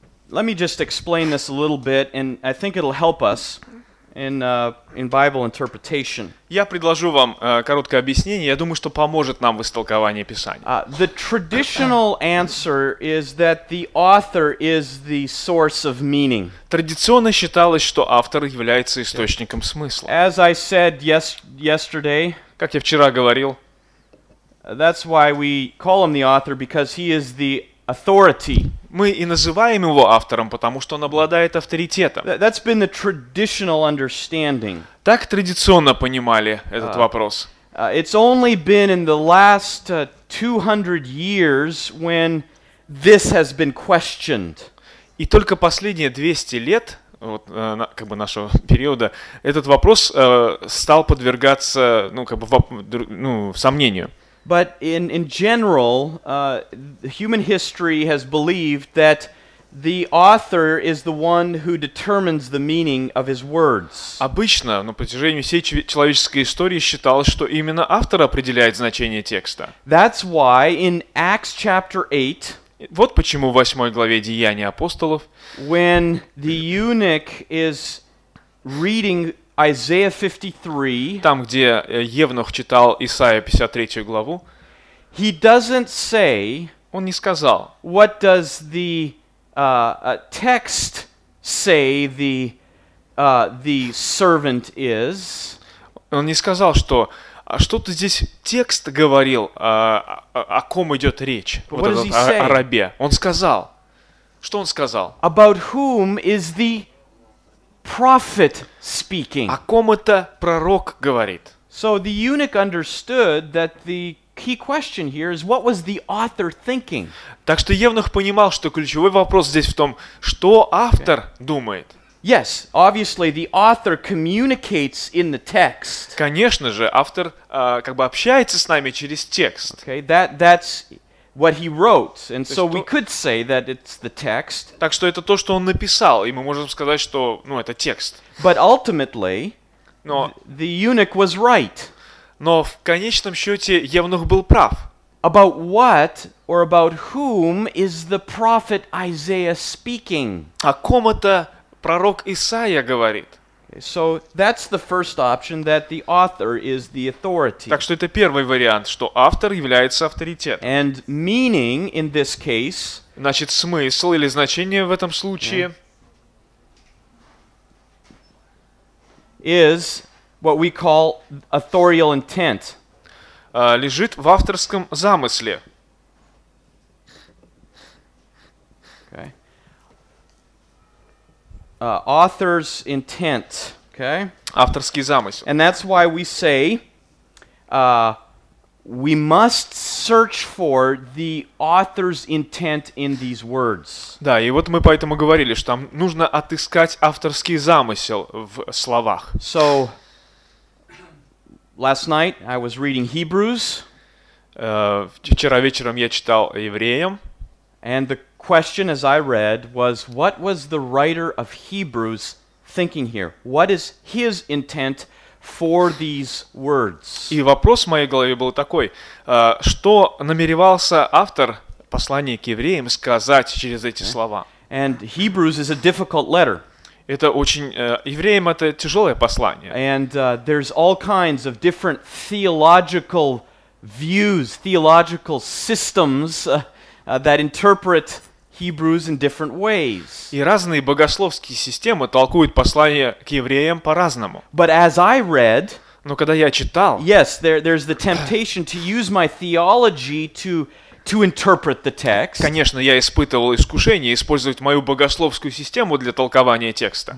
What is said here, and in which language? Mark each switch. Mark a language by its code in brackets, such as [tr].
[en] Let me just explain this a little bit, and I think it'll help us in Bible interpretation. [ru] Я предложу вам короткое объяснение. Я думаю, что поможет нам в истолковании Писания. [en] The traditional answer is that the author is the source of meaning. [ru] Традиционно считалось, что автор является источником смысла. [en] As I said yesterday. [ru] Как я вчера говорил. [en] That's why we call him the author, because he is the authority. [ru] Мы и называем его автором, потому что он обладает авторитетом. [en] That's been the traditional understanding. [ru] Так традиционно понимали этот вопрос. [en] It's only been in the last 200 years when this has been questioned. [ru] И только последние 200 лет, вот, как бы нашего периода, этот вопрос стал подвергаться, ну, как бы, сомнению. [en] But in general, human history has believed that the author is the one who determines the meaning of his words. [ru] Обычно на протяжении всей человеческой истории считалось, что именно автор определяет значение текста. [en] That's why in Acts chapter 8. [ru] Вот почему в 8 главе Деяний апостолов. [en] When the eunuch is reading Isaiah 53. [ru] Там, где Евнух читал Исаия 53 главу. [en] He doesn't say. [ru] Он не сказал. [en] What does the text say the servant is? [ru] Он не сказал, что что-то здесь текст говорил о ком идет речь. [en] What [ru] вот [en] does [ru] этот, [en] he say? [ru] О рабе. Он сказал. Что он сказал? [en] About whom is the prophet speaking. [ru] О ком это пророк говорит? [en] So the eunuch understood that the key question here is what was the author thinking? [ru] Так что евнух понимал, что ключевой вопрос здесь в том, что автор думает. [en] Yes, obviously the author communicates in the text. [ru] Конечно же, автор как бы общается с нами через текст. [en] Okay, that's what he wrote, and so we could say that it's the text. [ru] Так что это то, что он написал, и мы можем сказать, что, ну, это текст. [en] But ultimately, the eunuch was right. [ru] Но в конечном счете евнух был прав. [en] About what or about whom is the prophet Isaiah speaking? [ru] О ком это пророк Исаия говорит? [en] So that's the first option, that the author is the authority. [ru] Так что это первый вариант, что автор является авторитетом. [en] And meaning in this case. [ru] Значит, смысл или значение в этом случае. [en] Is what we call authorial intent. [ru] Лежит в авторском замысле. [en] Okay. Author's intent. Okay. [ru] Авторский замысел. [en] And that's why we say we must search for the author's intent in these words. [ru] Да, и вот мы поэтому говорили, что там нужно отыскать авторский замысел в словах. [en] So, last night I was reading Hebrews. [ru] Вчера вечером я читал Евреям. [en] And the question as I read was, what was the writer of Hebrews thinking here? What is his intent for these words? [ru] И вопрос в моей голове был такой, что намеревался автор послания к евреям сказать через эти слова? [en] And Hebrews is a difficult letter. [ru] Это очень, евреям это тяжелое послание. [en] And there's all kinds of different theological views, theological systems that interpret Hebrews in different ways. [ru] И разные богословские системы толкуют послание к евреям по-разному. [en] But as I read, [ru] но когда я читал, [en] yes, there's the temptation to use my theology to interpret the text. [ru] Конечно, я испытывал искушение использовать мою богословскую систему для толкования текста.